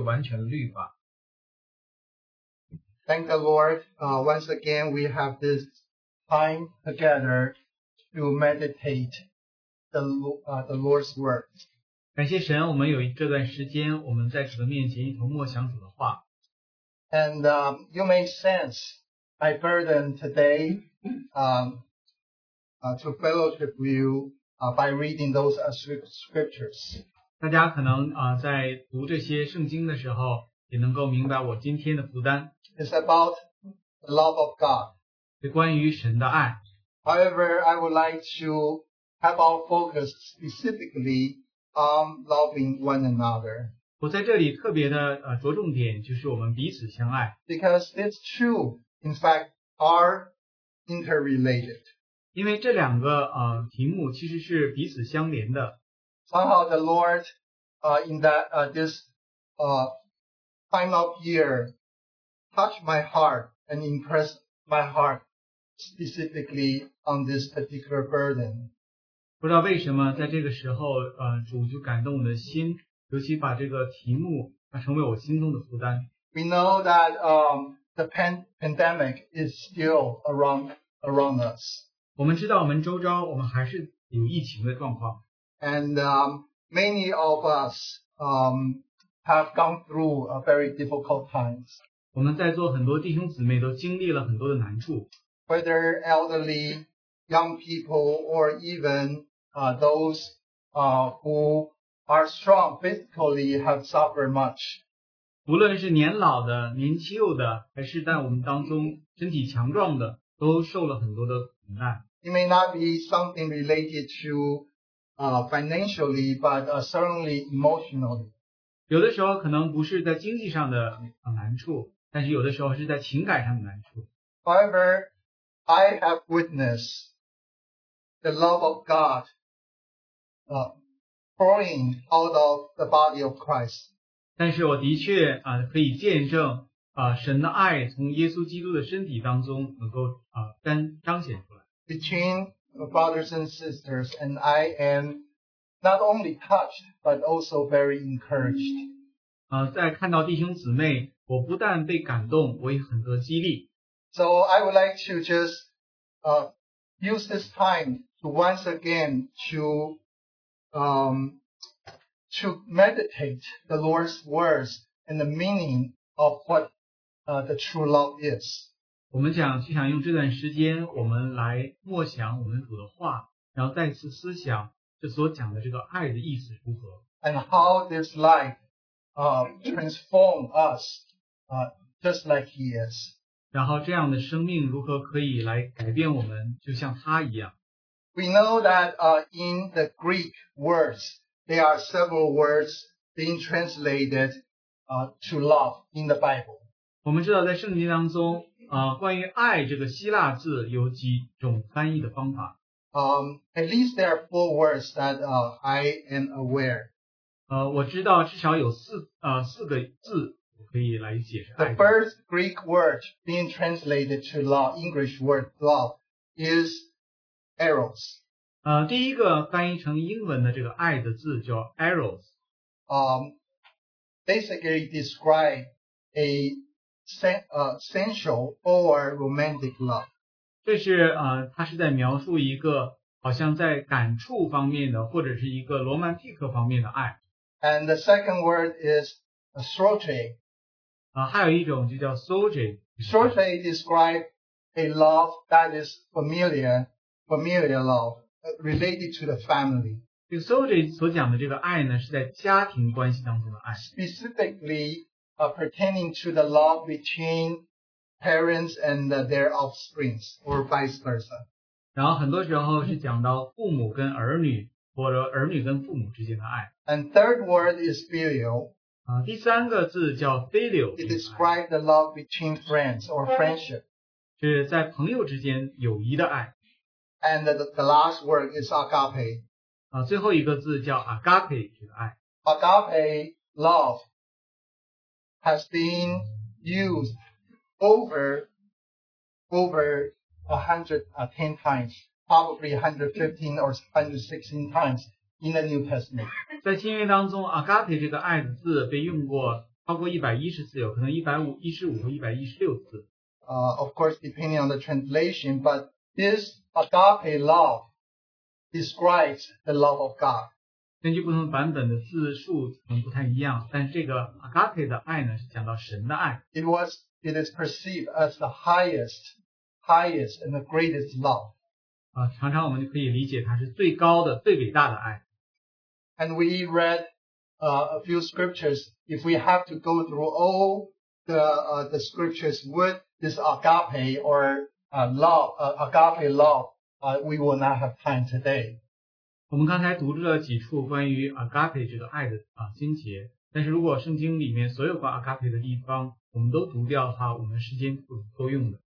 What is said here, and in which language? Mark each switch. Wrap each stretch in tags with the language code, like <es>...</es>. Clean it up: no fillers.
<zh>凡事都不可亏欠人,唯有彼此相爱,要常以为亏欠,因为爱人的就完全律法。</zh> <en>Thank the Lord, once again we have this time together to meditate the Lord's words.</en> <zh>感谢神,我们有这段时间,我们在主的面前一同默想主的话。</zh> <en>And you may sense my burden today, to fellowship with you by reading those scriptures.</en> <zh>大家可能, 在读这些圣经的时候,</zh> <en>it's about the love of God. However, I would like to have our focus specifically on loving one another.</en> <zh>我在这里特别的着重点就是我们彼此相爱。</zh> <en>Because these two, in fact, are interrelated.</en> <zh>因为这两个题目其实是彼此相连的。</zh> <en>Somehow the Lord, in this time of year, touched my heart and impressed my heart specifically on this particular burden.</en> <zh>不知道为什么在这个时候主就感动我的心。尤其把这个题目成为我心中的负担。</zh> <en>We know that the pandemic is still around us.</en> <zh>我们知道我们周遭我们还是有疫情的状况。</zh> <en>And many of us have gone through a very difficult times.</en> <zh>我们在座很多弟兄姊妹都经历了很多的难处。</zh> <en>Whether elderly, young people, or even those who are strong physically have suffered much.</en> <zh>无论是年老的、年轻幼的，还是在我们当中身体强壮的，都受了很多的苦难。</zh> <en>It may not be something related to financially, but certainly emotionally.</en> <zh>有的时候可能不是在经济上的难处，但是有的时候是在情感上的难处。</zh> <en>However, I have witnessed the love of God. Pouring out of the body of Christ.</en> <zh>但是我的确可以见证神的爱从耶稣基督的身体当中能够彰显出来。</zh> <en>Between brothers and sisters, and I am not only touched, but also very encouraged.</en> <zh>在看到弟兄姊妹，我不但被感动，我也很得激励。</zh> <en>So I would like to just use this time to once again to meditate the Lord's words and the meaning of what the true love is.</en> <zh>我们想用这段时间我们来默想我们主的话，然后再次思想这所讲的这个爱的意思如何。</zh> <en>And how this life transforms us just like he is.</en> <zh>然后这样的生命如何可以来改变我们就像他一样。</zh> <en>We know that in the Greek words, there are several words being translated to love in the Bible.</en> <zh>我们知道在圣经当中关于爱这个希腊字有几种翻译的方法。</zh> <en>At least there are four words that I am aware.</en> <zh>我知道至少有四个字可以来解释爱。</zh> <en>The first Greek word being translated to love, English word love, is Eros.</en> <zh>第一个翻译成英文的这个爱的字叫 Eros.</zh> <en>Basically describe a sensual or romantic love.</en> <zh>这是它是在描述一个好像在感触方面的或者是一个罗曼蒂克方面的爱。</zh> <en>And the second word is Soge.</en> <zh>还有一种就叫 Soge.</zh> <en>Soge describe a love that is familiar love, related to the family.</en> <zh>这个 soul 所讲的这个爱呢，是在家庭关系当中的爱。</zh> <en>Specifically, pertaining to the love between parents and their offsprings, or vice versa.</en> <zh>然后很多时候是讲到父母跟儿女，或者儿女跟父母之间的爱。</zh> <en>And third word is filial.</en> <zh>第三个字叫 filial.</zh> <en>It describes the love between friends or friendship.</en> <zh>是在朋友之间友谊的爱。</zh> <en>And the last word is agape.</en> <zh>最后一个字叫 agape, 这个爱。</zh> <en>Agape love has been used over 110 times, probably 115 or 116 times in the New Testament.</en> <zh>在新约当中 ,agape 这个爱的字被用过超过110次，有可能115或116次。</zh> <en>Of course, depending on the translation, but this agape love describes the love of God.</en> <zh>根据不同版本的字数可能不太一样，但是这个 agape 的爱呢，是讲到神的爱。</zh> <en>It is perceived as the highest and the greatest love.</en> <zh>常常我们就可以理解它是最高的、最伟大的爱。</zh> <en>And we read a few scriptures. If we have to go through all the scriptures with this agape or love, agape love, we will not have time today.</en> <zh>我们刚才读了几处关于 agape 这个爱的经节，但是如果圣经里面所有关 agape 的地方我们都读掉的话，我们时间不够用的。</zh>